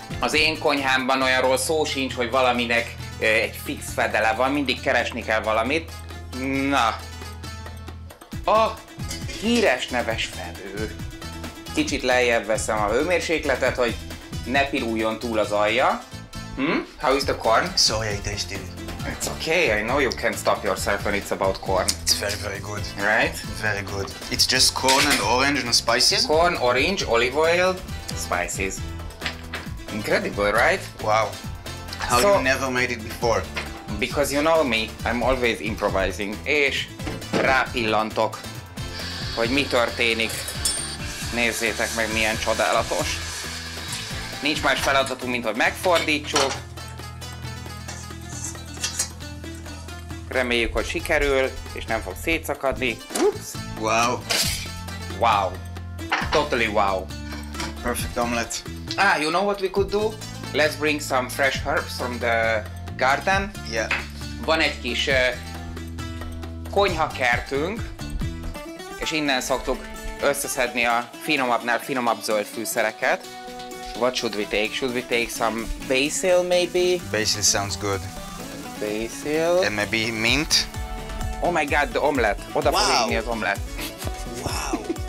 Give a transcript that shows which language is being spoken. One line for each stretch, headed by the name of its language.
Hungarian: Az én konyhámban olyanról szó sincs, hogy valaminek egy fix fedele van. Mindig keresni kell valamit. Na. Oh. Híres neves felhő. Kicsit lejjebb veszem a hőmérsékletet, hogy ne piruljon túl az alja.
English: Hmm? How is the corn? Soja ides, dude. It's okay, I know you can't stop yourself when it's about corn. It's very, very good. Right? Very good. It's just corn and orange and spices? Corn, orange, olive oil, spices. Incredible, right? Wow. How so, you never made it before? Because you know me, I'm always improvising.
Hungarian: És rápillantok. Hogy mi történik. Nézzétek meg, milyen csodálatos. Nincs más feladatunk, mint hogy megfordítsuk. Reméljük, hogy sikerül, és nem fog szétszakadni. Ups.
English: Wow. Wow. Totally wow. Perfect omelette. Ah, you know what we could do? Let's bring some fresh herbs from the garden. Yeah.
Hungarian: Van egy kis konyha kertünk. És innen szoktuk összeszedni a finomabbnál finomabb zöld fűszereket.
English: What should we take? Should we take some basil maybe? Basil sounds good. Basil. And maybe mint. Oh my god, the omelet. Oda wow. Fog égni az omelet. Wow.